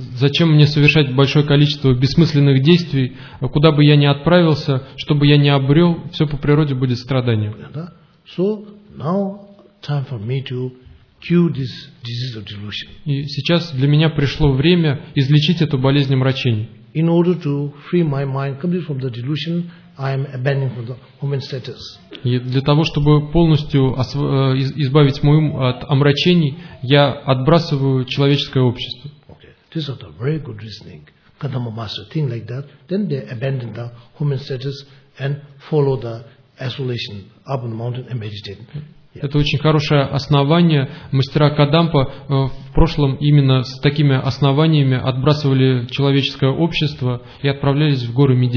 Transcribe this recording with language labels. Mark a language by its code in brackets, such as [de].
[ru] Зачем мне совершать большое количество бессмысленных действий, куда бы я ни отправился, что бы я ни обрел, все по природе будет страданием. [en] So now time for me to cure this disease of delusion. [ru] И сейчас для меня пришло время излечить эту болезнь омрачений. [en] In order to free my mind completely from the delusion, I am abandoning from the woman status. [ru] И для того, чтобы полностью избавить мой ум от омрачений, я отбрасываю человеческое общество. [en] Okay. This is a very good reasoning. Kadama Master think like that, then they abandon the woman status and follow the isolation up on the mountain and meditate. [ru] Это очень хорошее основание. Мастера Кадампа в прошлом именно с такими основаниями отбрасывали человеческое общество и отправлялись в горы